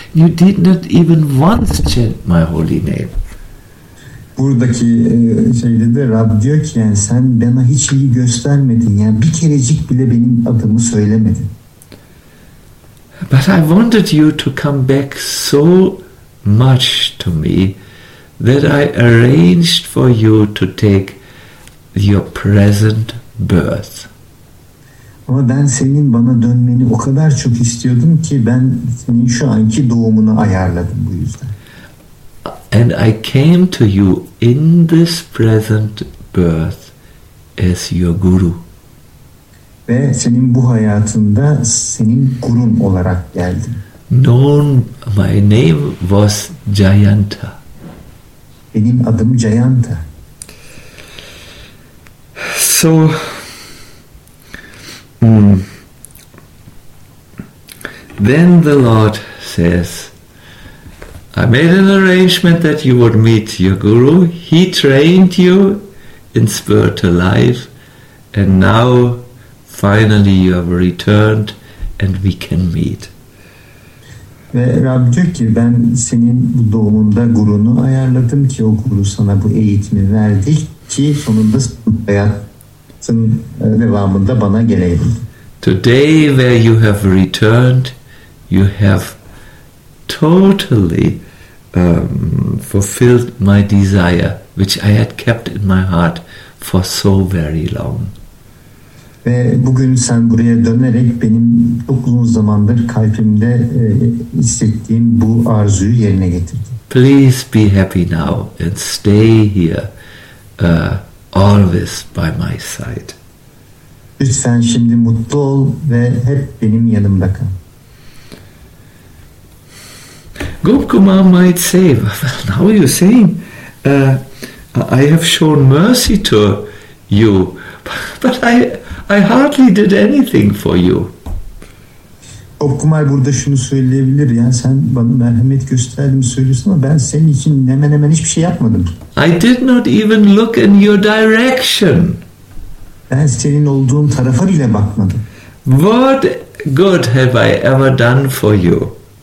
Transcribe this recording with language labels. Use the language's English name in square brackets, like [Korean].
[English] You did not even once chant my holy name. [Turkish] Buradaki şeyde de Rab diyor ki, yani sen bana hiç iyi göstermedin, yani bir kerecik bile benim adımı söylemedin. [English] But I wanted you to come back so much to me that I arranged for you to take your present birth. [Turkish] Ama ben senin bana dönmeni o kadar çok istiyordum ki ben senin şu anki doğumunu ayarladım bu yüzden. [English] And I came to you in this present birth as your guru. [Turkish] Ve senin bu hayatında senin gurun olarak geldim. [English] Known, my name was Jayanta. [Turkish] Benim adım Jayanta. [English] So, then the Lord says, I made an arrangement that you would meet your guru. He trained you in spiritual life, and now finally you have returned and we can meet. [Turkish] Ve Rab diyor ki, ben senin doğumunda gurunu ayarladım ki o guru sana bu eğitimi verdi ki sonunda hayatın devamında bana geleydin. [English] Today where you have returned, you have totally fulfilled my desire which I had kept in my heart for so very long. [Turkish] Ve bugün sen buraya dönerek benim çok uzun zamandır kalbimde hissettiğim bu arzuyu yerine getirdin. [English] Please be happy now and stay here always by my side. [Turkish] Lütfen şimdi mutlu ol ve hep benim yanımda kal. [English] Gop Kumar might say, well, now you're saying I have shown mercy to you, but I hardly did anything for you. [Turkish] Gop Kumar burada şunu söyleyebilir, yani sen bana merhamet gösterdim söylüyorsun ama ben senin için hemen hemen hiçbir şey yapmadım. [English] I did not even look in your direction. [Turkish] Ben senin olduğun tarafa bile bakmadım. [English] What good have I ever done for you?